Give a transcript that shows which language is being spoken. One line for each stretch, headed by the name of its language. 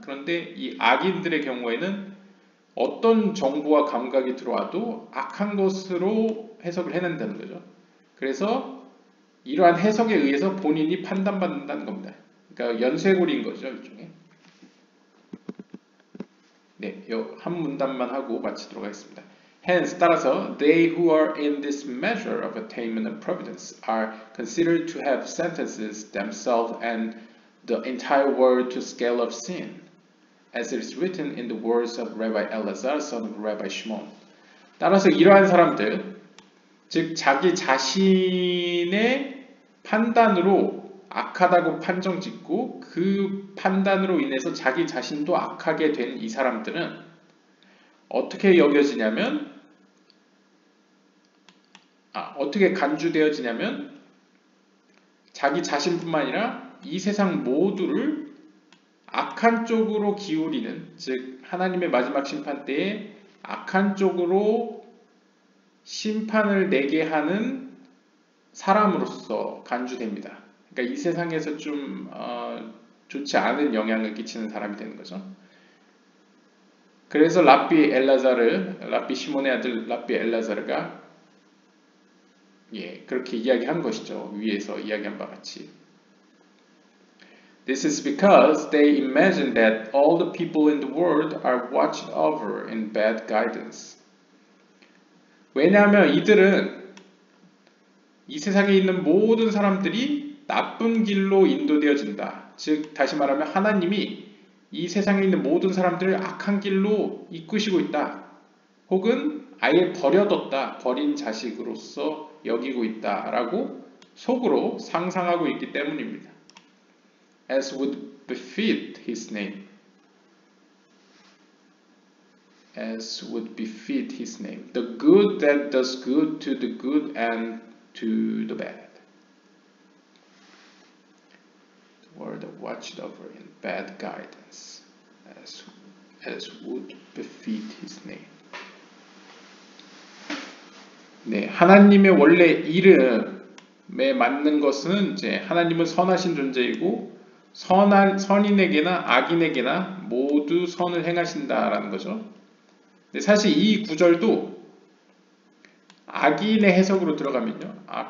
Korean: 그런데 이 악인들의 경우에는 어떤 정보와 감각이 들어와도 악한 것으로 해석을 해낸다는 거죠. 그래서 이러한 해석에 의해서 본인이 판단받는다는 겁니다. 그러니까 연쇄고리인 거죠, 일종의. 네, 요 한 문단만 하고 마치도록 하겠습니다.
English: Hence,
Korean: 따라서,
English: they who are in this measure of attainment and providence are considered to have sentences themselves and the entire world to scale of sin. As it is written in the words of Rabbi Elazar, son of Rabbi Shimon.
Korean: 따라서 이러한 사람들, 즉 자기 자신의 판단으로 악하다고 판정짓고 그 판단으로 인해서 자기 자신도 악하게 된 이 사람들은 어떻게 여겨지냐면 어떻게 간주되어지냐면 자기 자신뿐만 아니라 이 세상 모두를 악한 쪽으로 기울이는, 즉 하나님의 마지막 심판 때에 악한 쪽으로 심판을 내게 하는 사람으로서 간주됩니다. 그러니까 이 세상에서 좀 좋지 않은 영향을 끼치는 사람이 되는 거죠. 그래서 랍비 엘라자르, 랍비 시몬의 아들 랍비 엘라자르가 예, 그렇게 이야기한 것이죠. 위에서 이야기한 바 같이.
English: This is because they imagine that all the people in the world are watched over in bad guidance.
Korean: 왜냐하면 이들은 이 세상에 있는 모든 사람들이 나쁜 길로 인도되어진다. 즉, 다시 말하면 하나님이 이 세상에 있는 모든 사람들을 악한 길로 이끄시고 있다. 혹은 아예 버려뒀다. 버린 자식으로서 여기고 있다라고 속으로 상상하고 있기 때문입니다.
English: As would befit his name. As would befit his name. The good that does good to the good and to the bad. watched over him bad guidance as would befit his name.
Korean: 네, 하나님의 원래 이름에 맞는 것은 이제 하나님은 선하신 존재이고 선한 선인에게나 악인에게나 모두 선을 행하신다라는 거죠. 네, 사실 이 구절도 악인의 해석으로 들어가면요.